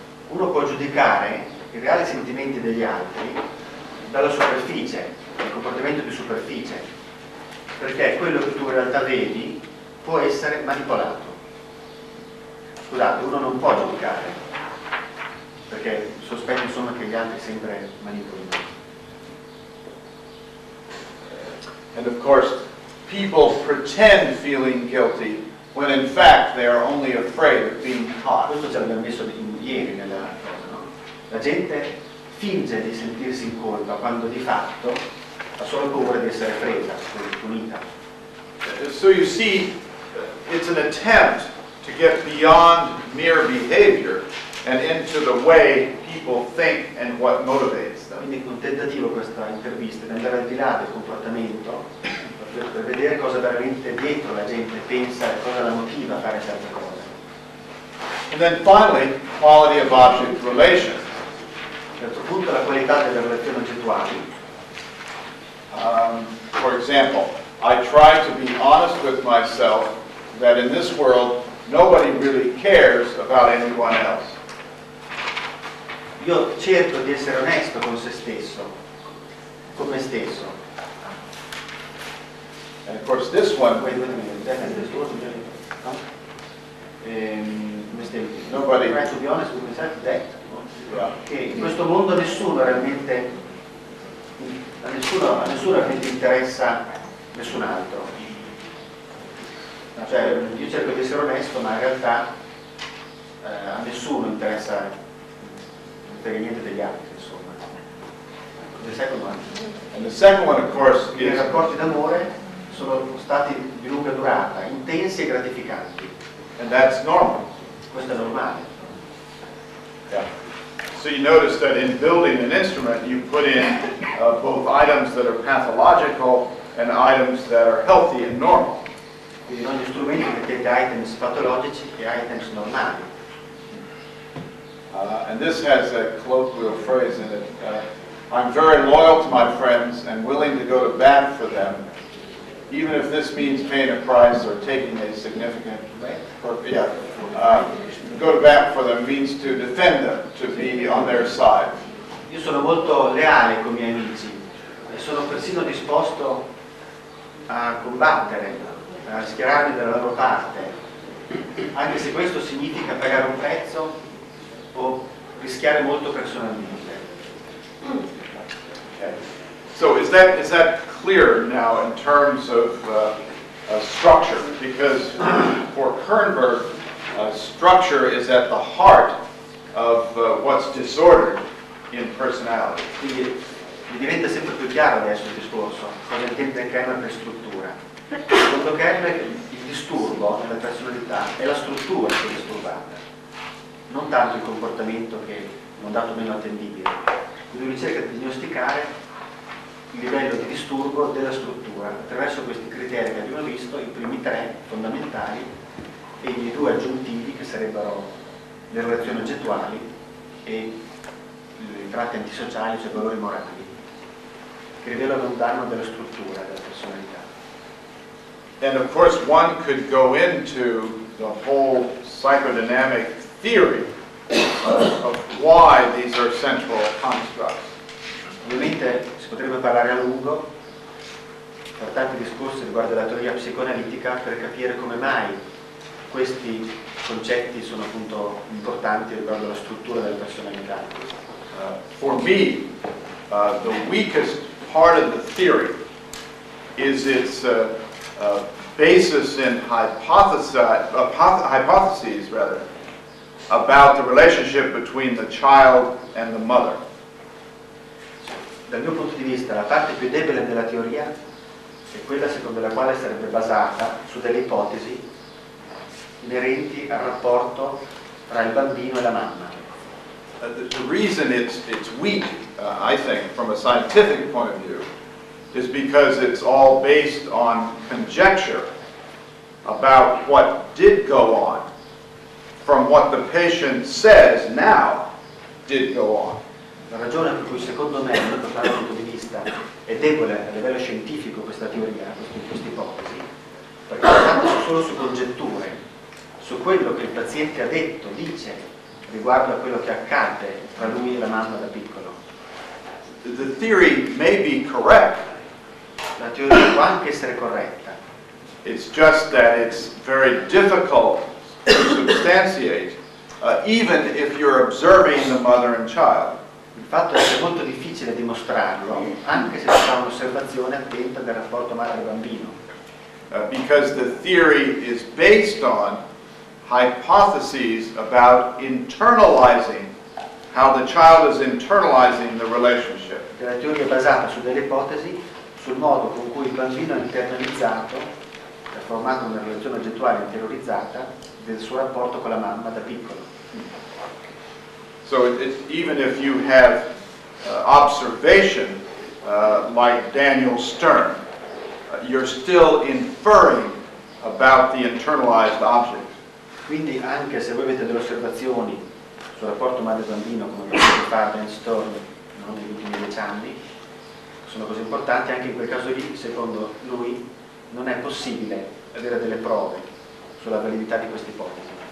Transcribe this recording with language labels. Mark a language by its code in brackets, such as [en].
[it] Uno può giudicare i reali sentimenti degli altri dalla superficie, il comportamento di superficie, perché quello che tu in realtà vedi può essere manipolato. Scusate, uno non può giudicare, perché sospetto insomma che gli altri sempre manipolino. [en] And of course, people pretend feeling guilty when in fact they are only afraid of being caught. [it] Questo ce l'abbiamo visto ieri nella cosa, no? La gente finge di sentirsi in colpa quando di fatto ha solo paura di essere presa, punita. [en] So you see, it's an attempt to get beyond mere behavior and into the way people think and what motivates them. [it] Quindi è un tentativo questa intervista di andare al di là del comportamento per vedere cosa veramente dietro la gente pensa e cosa la motiva a fare certe cose. [en] And then finally, quality of object relations. [it] A un certo punto la qualità delle relazioni oggettuali. [en] For example, I try to be honest with myself that in this world nobody really cares about anyone else. [it] Io cerco di essere onesto con se stesso, con me stesso. [en] And of course this one, nobody. Try to be honest with myself, that. [it] Che in questo mondo nessuno realmente, a nessuno realmente interessa nessun altro. Cioè, io cerco di essere onesto, ma in realtà a nessuno interessa per niente degli altri, insomma. [en] The second one. And the second one, of course, is... [it] I rapporti d'amore sono stati di lunga durata, intensi e gratificanti. [en] And that's normal. [it] Questo è normale. [en] Yeah. So you notice that in building an instrument, you put in both items that are pathological and items that are healthy and normal. [it] Quindi in ogni strumento mettete items patologici e items normali. [en] And this has a colloquial phrase in it. I'm very loyal to my friends and willing to go to bat for them, even if this means paying a price or taking a significant go to bat for them means to defend them, to be on their side. [it] Io sono molto leale con i miei amici e sono persino disposto a combattere, a schierarmi dalla loro parte, anche se questo significa pagare un prezzo o rischiare molto personalmente. [en] Okay. So is that clearer now in terms of structure, because for Kernberg, structure is at the heart of what's disordered in personality. [it] Mi diventa sempre più chiaro adesso il discorso, cosa intende Kernberg per struttura. Secondo Kernberg, il disturbo nella personalità è la struttura che è disturbata, non tanto il comportamento che è un dato meno attendibile. Quindi lui cerca di diagnosticare il livello di disturbo della struttura attraverso questi criteri che abbiamo visto, i primi tre fondamentali e i due aggiuntivi che sarebbero le relazioni oggettuali e i tratti antisociali, cioè i valori morali, che rivelano un danno della struttura della personalità. [en] And of course one could go into the whole psychodynamic theory of why these are central constructs. [it] Ovviamente si potrebbe parlare a lungo, per tanti discorsi riguardo alla teoria psicoanalitica, per capire come mai questi concetti sono appunto importanti riguardo alla struttura della personalità. [en] For me, the weakest part of the theory is its basis in hypotheses rather about the relationship between the child and the mother. [it] Dal mio punto di vista, la parte più debole della teoria è quella secondo la quale sarebbe basata su delle ipotesi inerenti al rapporto tra il bambino e la mamma. [en] The reason it's weak, I think, from a scientific point of view, is because it's all based on conjecture about what did go on from what the patient says now did go on. [it] La ragione per cui secondo me, dal mio punto di vista, è debole a livello scientifico questa teoria, queste ipotesi, perché è basata solo su congetture, su quello che il paziente ha detto, dice, riguardo a quello che accade tra lui e la mamma da piccolo. [en] The theory may be correct. [it] La teoria può anche essere corretta. [en] It's just that it's very difficult to substantiate, even if you're observing the mother and child. [it] Il fatto è che è molto difficile dimostrarlo, anche se si fa un'osservazione attenta del rapporto madre-bambino. [en] Because the theory is based on hypotheses about internalizing how the child is internalizing the relationship. [it] La teoria è basata su delle ipotesi sul modo con cui il bambino ha internalizzato, ha formato una relazione oggettuale interiorizzata del suo rapporto con la mamma da piccolo. [en] So it's, even if you have observation like Daniel Stern, you're still inferring about the internalized object. [it] Quindi anche se voi avete delle osservazioni sul rapporto madre-bambino come abbiamo fatto in Storm negli ultimi 10 anni, sono cose importanti, anche in quel caso lì, secondo lui, non è possibile avere delle prove sulla validità di queste ipotesi.